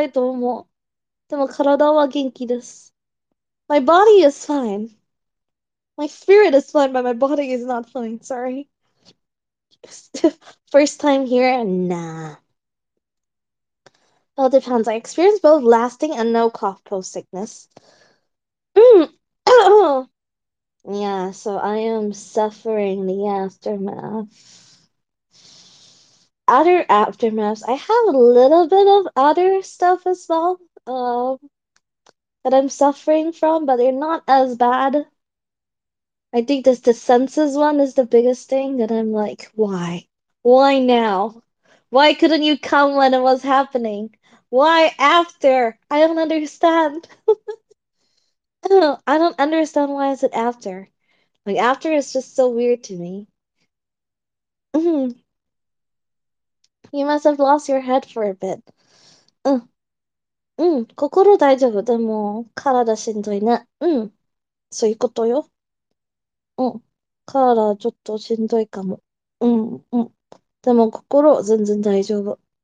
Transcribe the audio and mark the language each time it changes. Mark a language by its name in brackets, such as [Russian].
[Japanese] ぬりはしないいいでね。全然元気よ。元気です。何?心元気。体はちょっと、めんどくさいと思う。でも体は元気です。 [English] My body is fine. My spirit is fine, but my body is not fine. Sorry. First time here? Nah. Well, it depends. I experienced both lasting and no cough post sickness. Yeah, so I am suffering the aftermath. Other aftermaths. I have a little bit of other stuff as well, that I'm suffering from, but they're not as bad. I think this the senses one is the biggest thing that I'm like, why? Why now? Why couldn't you come when it was happening? Why after? I don't understand. I don't understand why is it after. Like, after is just so weird to me. You must have lost your head for a bit. [Japanese] うん、心大丈夫。でも、体しんどいね。うん。そういうことよ。うん、体ちょっとしんどいかも。うん、うん。でも、心全然大丈夫。